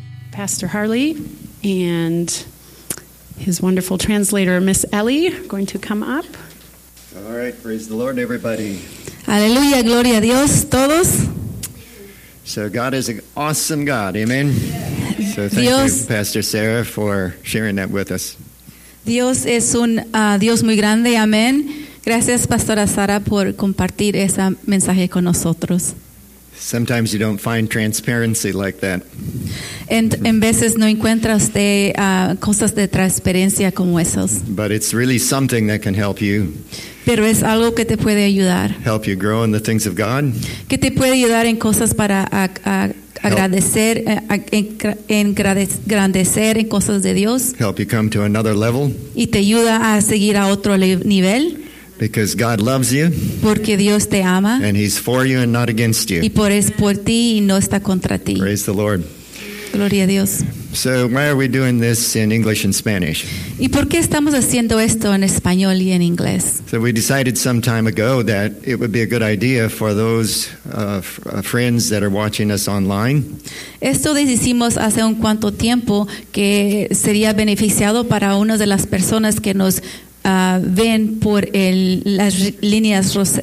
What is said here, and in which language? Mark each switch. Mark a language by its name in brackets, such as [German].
[English] Pastor Harley and his wonderful translator, Miss Ellie, are going to come up. All right, praise the Lord, everybody. [Spanish] Aleluya, gloria a Dios, todos. [English] So God is an awesome God, amen? Yes. So thank Dios, you, Pastor Sarah, for sharing that with us. [Spanish] Dios es un Dios muy grande, amen. Gracias, Pastora Sara, por compartir ese mensaje con nosotros. [English] Sometimes you don't find transparency like that. And [Spanish] en veces no encuentra usted cosas de transparencia como esas. [English] But it's really something that can help you. [Spanish] Pero es algo que te puede ayudar. [English] Help you grow in the things of God. [Spanish] Que te puede ayudar en cosas para agradecer, engrandecer en cosas de Dios. [English] Help you come to another level. [Spanish] Y te ayuda a seguir a otro nivel. [English] Because God loves you. [Spanish] Porque Dios te ama. [English] And he's for you and not against you. [Spanish] Y por ti y no está contra ti. [English] Praise the Lord. [Spanish] Gloria a Dios. [English] So why are we doing this in English and Spanish? [Spanish] ¿Y por qué estamos haciendo esto en español y en inglés? [English] So we decided some time ago that it would be a good idea for those friends that are watching us online. [Spanish] Esto decidimos hace un cuanto tiempo que sería beneficiado para una de las personas que nos ven por las líneas